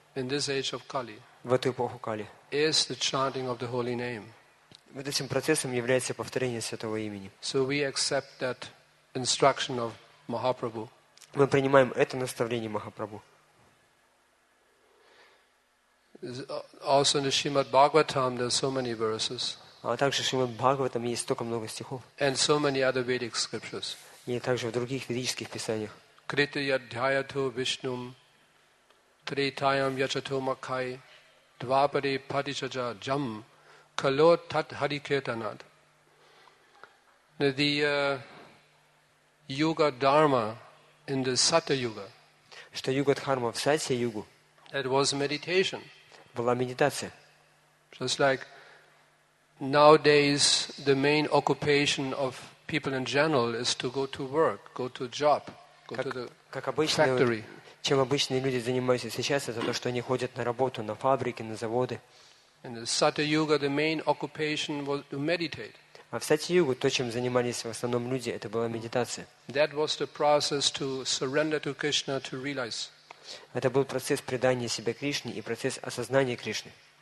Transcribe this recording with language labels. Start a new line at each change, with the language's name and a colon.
English: In this age of Kali.
Russian: В эту эпоху Кали.
English: Is the chanting of the holy name.
Russian: Вот этим процессом является повторение святого имени.
English: So we accept that instruction of Mahaprabhu.
Russian: Мы принимаем это наставление Махапрабху.
English: Also in the Srimad Bhagavatam there are so many verses.
Russian: А также в Шримад Бхагаватам есть столько много стихов.
English: And so many other Vedic scriptures.
Russian: И также в других ведических писаниях.
Sanskrit: Krita yadhyayato Vishnum Tritayam yachato makai Dvapari Patichaja Jam Kalot Tat Hariketanad.
English: The Yuga Dharma in the Satya Yuga.
Russian: Что Юга Дхарма в Сатья Югу?
English: It was meditation.
Russian: Была медитация.
English: Just like nowadays the main occupation of people in general is to go to work, go to job, go to the factory.
Russian: Чем обычные люди занимаются сейчас, это то, что они ходят на работу, на фабрики, на заводы. А в Сатья-югу то, чем занимались в основном люди, это была медитация. Это был процесс предания себя Кришне и процесс осознания Кришны.